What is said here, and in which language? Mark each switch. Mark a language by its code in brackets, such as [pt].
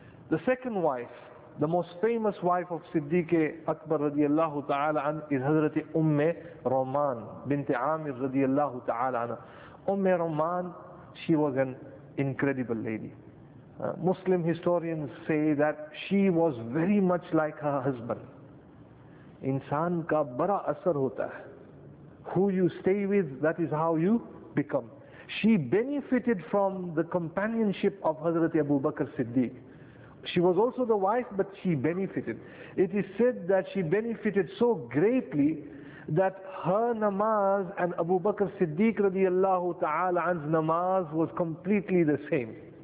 [en] The second wife, the most famous wife of Siddiq Akbar radiallahu ta'ala an, is Hazrat Rahman bint Amir radiallahu ta'ala an. Rahman, she was an incredible lady. Muslim historians say that she was very much like her husband. [hi] इंसान का बड़ा असर होता है. [en] Who you stay with, that is how you become. She benefited from the companionship of Hazrat Abu Bakr Siddiq. She was also the wife, but she benefited. It is said that she benefited so greatly that her namaz and Abu Bakr Siddiq radiallahu ta'ala anhu's namaz was completely the same.